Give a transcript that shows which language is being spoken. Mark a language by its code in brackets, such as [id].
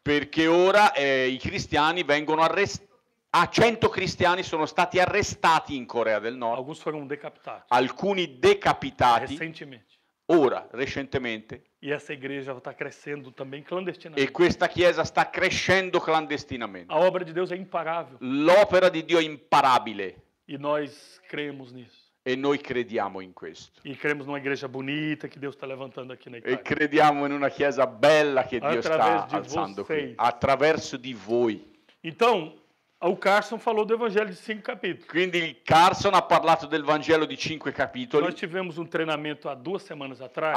[it] Perché ora i cristiani vengono arrestati. A 100 cristiani sono stati arrestati in Corea del Nord. Alcuni furono decapitati. Alcuni decapitati. Recentemente. Ora, recentemente. [pt] E essa igreja está crescendo também clandestinamente. [it] E questa chiesa sta crescendo clandestinamente. [pt] A obra de Deus é imparável. [it] L'opera di Dio è imparabile. [pt] E nós cremos nisso. [it] E noi crediamo in questo. [pt] E cremos numa igreja bonita que Deus está levantando aqui na Itália. [it] E crediamo in una chiesa bella che Dio sta alzando qui. Attraverso di voi. [pt] Então, o Carson falou do evangelho de 5 capítulos. [it] Quindi Carson ha parlato del Vangelo di 5 capitoli. [pt] Nós tivemos treinamento há 2 semanas atrás.